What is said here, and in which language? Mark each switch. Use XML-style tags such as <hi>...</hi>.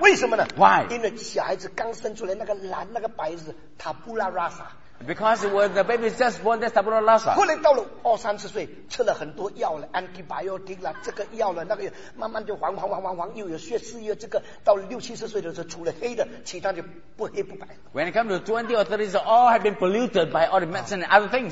<zh>为什么呢</zh> <en>？Why？</en> <zh>因为小孩子刚生出来那个蓝那个白是 tabula rasa。</zh> <en>Because when the baby is just born, that's tabula rasa.</en> <zh>后来到了二三十岁，吃了很多药了 ，antibiotic 了，这个药了，那个，慢慢就黄，又有血丝，又这个，到了六七十岁的时候，除了黑的，其他就不黑不白。</zh> <en>When it comes to 20 or 30, all have been polluted by all the medicine and other things.</en>